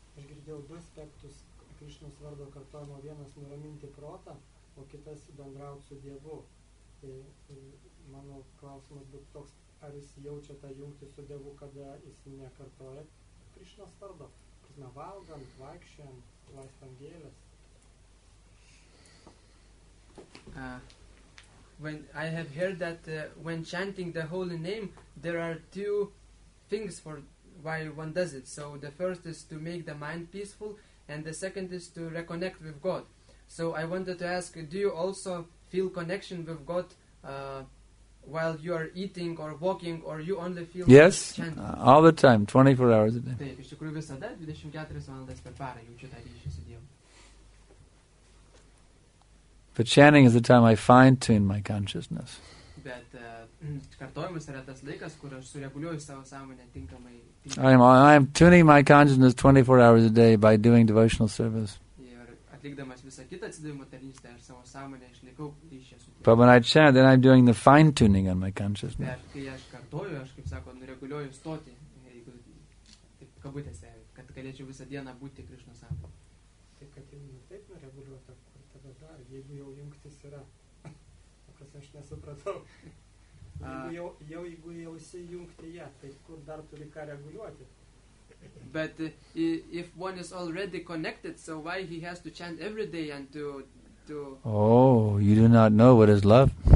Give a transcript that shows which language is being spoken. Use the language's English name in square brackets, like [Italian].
[Lithuanian] Girdėjau du aspektus Krišnos vardo kartojimo. Vienas nuraminti protą, o kitas bendrauti su Dievu. Tai mano klausimas būtų toks, ar jis jaučia tą jungtį su Dievu, kada jis nekartoja Krišnos vardo? Na, valgant, vaikščiant, laistant gėlės. [English] when I have heard that when chanting the holy name, there are two things for why one does it. So the first is to make the mind peaceful, and the second is to reconnect with God. So I wanted to ask, do you also feel connection with God while you are eating or walking, or you only feel yes, chanting? All the time, 24 hours a day. [Lithuanian] Taip, iš tikrųjų visada, 24 valandas per parą jaučiu tą ryšį su Dievu. [English] But chanting is the time I fine-tune my consciousness. [Lithuanian] Bet kartojimas yra tas laikas, kur aš sureguliuoju savo sąmonę tinkamai. [English] I am tuning my consciousness 24 hours a day by doing devotional service. [Lithuanian] Ir atlikdamas visą kitą atsidavimo tarnystę, aš savo sąmonę išlaikau ryšį su Dievu. [English] But when I chant, then I'm doing the fine-tuning on my consciousness. [Lithuanian] Bet kai aš kartoju, aš kaip sako, nureguliuoju stotį, jeigu taip kabutėse, kad galėčiau visą dieną būti Krišnos sąmonė. Tai kad jau taip nureguliuota. Dar, jeigu jau jungtis yra, kas aš nesupratau, jeigu jau įsijungti ją, tai kur dar turi ką reguliuoti? [English] But if one is already connected, so why he has to chant every day and to... Oh, you do not know what is love.